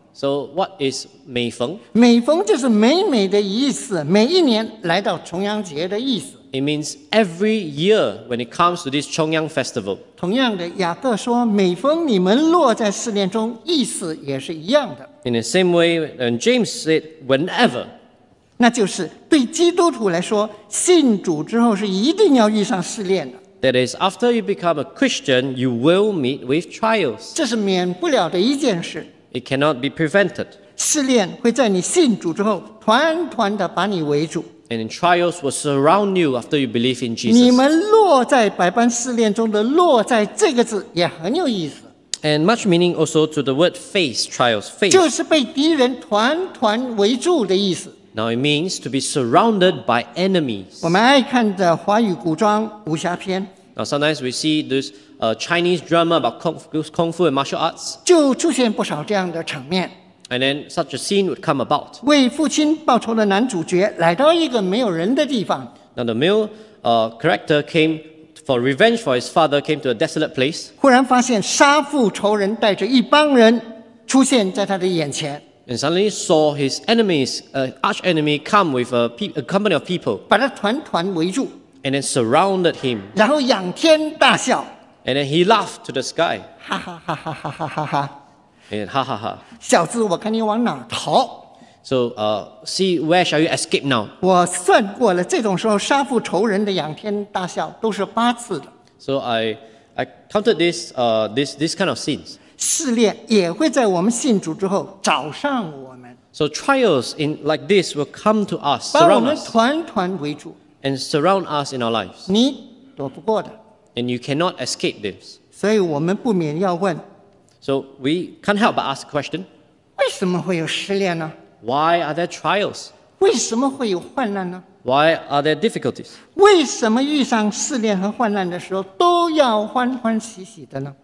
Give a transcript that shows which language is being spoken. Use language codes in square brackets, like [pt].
[en] ？So what is 每逢？ [zh] 每逢就是每每的意思，每一年来到重阳节的意思。 [en] It means every year when it comes to this Chongyang festival. [zh] 同样的，雅各说，每逢你们落在试炼中，意思也是一样的。 [en] In the same way, and James said, whenever. [zh] 那就是对基督徒来说，信主之后是一定要遇上试炼的。 [en] That is, after you become a Christian, you will meet with trials. [zh] 这是免不了的一件事。 [en] It cannot be prevented. [zh] 试炼会在你信主之后，团团的把你围住。 [en] And trials will surround you after you believe in Jesus. [zh] 你们落在百般试炼中的落在这个字也很有意思。 [en] And much meaning also to the word face, trials, face. [zh] 就是被敌人团团围住的意思。 [en] Now it means to be surrounded by enemies. [zh] 我们爱看的华语古装武侠片。 [en] Now sometimes we see this Chinese drama about kung fu and martial arts. [zh] 就出现不少这样的场面。 [en] And then such a scene would come about. [zh] 为父亲报仇的男主角来到一个没有人的地方。 [en] Now the male character came for revenge for his father, came to a desolate place. [zh] 忽然发现杀父仇人带着一帮人出现在他的眼前。 [en] And suddenly saw his enemies, arch enemy, come with a company of people. [zh] 把他团团围住。 [en] And then surrounded him. [zh] 然后仰天大笑。 [en] And then he laughed to the sky. [zh] 哈哈哈哈哈哈哈哈。 [en] And ha ha ha. [zh] 小子，我看你往哪儿逃。 [en] So, see where shall you escape now? [zh] 我算过了，这种时候杀父仇人的仰天大笑都是八次的。 [en] So I counted this kind of scenes. [zh] 试炼也会在我们信主之后找上我们。 [en] So trials in like this will come to us, surround us. [zh] 把我们团团围住。 [en] And surround us in our lives. [zh] 你躲不过的。 [en] And you cannot escape this. [zh] 所以我们不免要问。 [en] So we can't help but ask a question. [zh] 为什么会有失恋呢？ [en] Why are there trials? [zh] 为什么会有患难呢？ [en] Why are there difficulties? [zh] 为什么遇上失恋和患难的时候都要欢欢喜喜的呢？